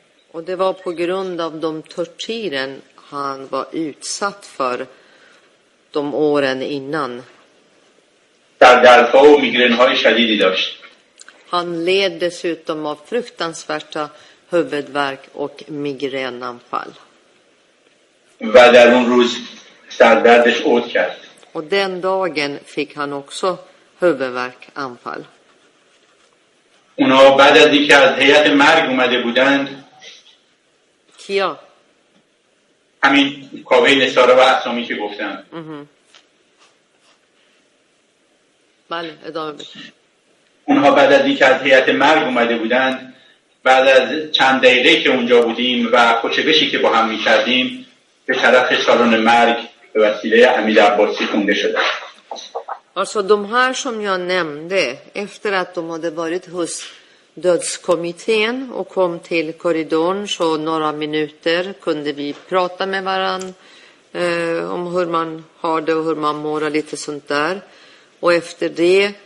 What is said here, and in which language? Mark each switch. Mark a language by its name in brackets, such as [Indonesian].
[Swedish] Och det var på grund av de tortyren han var utsatt för de åren innan. [Persian] Dar dardha o migrenhay shadidi dasht. [Swedish] Han led dessutom av fruktansvärda huvudvärk och migränanfall. [Persian] و در اون روز سردردش اوت کرد. [Swedish] و den dagen fick han också huvudvärk anfall. [Persian] اونا بعد از اینکه از هیئت مرگ اومده بودند. کیا؟ همین کاوه نصاره و اسامی که گفتن. بله ادامه بدید. اونها بعد از اینکه از هیئت مرگ اومده بودند بعد از چند دقیقه که اونجا بودیم و خوشبشی که با هم می‌کردیم [Swedish] Alltså de här som jag nämnde efter att de hade varit hos dödskommittén och kom till korridoren så några minuter kunde vi prata med varann om hur man har det och hur man mår och lite sånt där. Och efter det